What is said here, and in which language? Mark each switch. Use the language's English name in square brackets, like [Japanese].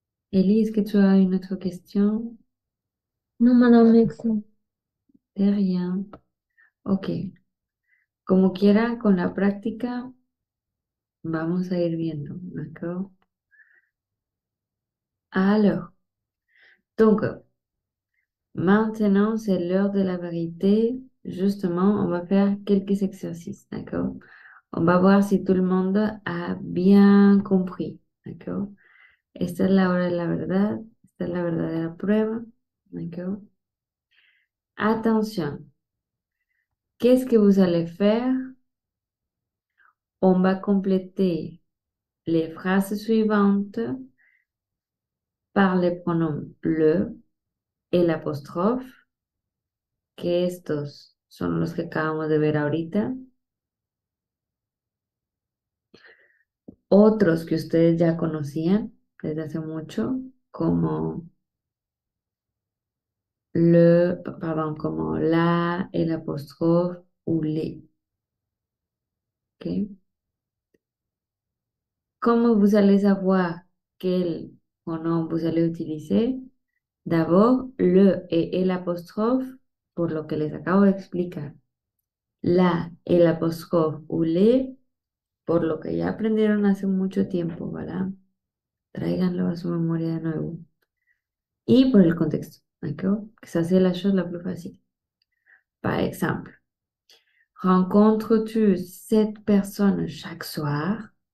[French] Elise, que tu as une autre question? Non, madame, merci. De rien. Ok. [Spanish] Como quiera, con la práctica, vamos a ir viendo. [French] ¿D'accord? Alors. Donc, maintenant, c'est l'heure de la vérité. Justement, on va faire quelques exercices. D'accord? On va voir si tout le monde a bien compris. D'accord? [Spanish] Esta es la hora de la verdad. Esta es la verdadera prueba. [French] D'accord? Attention. Qu'est-ce que vous allez faire? On va compléter les phrases suivantes par les pronoms le et l'apostrophe, [Spanish] que estos son los que acabamos de ver ahorita. Otros que ustedes ya conocían desde hace mucho, como le, perdón, como la, el apóstrofe, [French] ou les. Okay. ¿Cómo vous allez savoir quel pronom vous allez utiliser? D'abord, le et [Spanish] el apóstrofe, por lo que les acabo de explicar. La, el apóstrofe, [French] ou les, [Spanish] por lo que ya aprendieron hace mucho tiempo, ¿verdad? Tráiganlo a su memoria de nuevo. Y por el contexto. Quizás sea [French] la chose la plus facile. Par exemple, rencontres-tu cette personne chaque soir?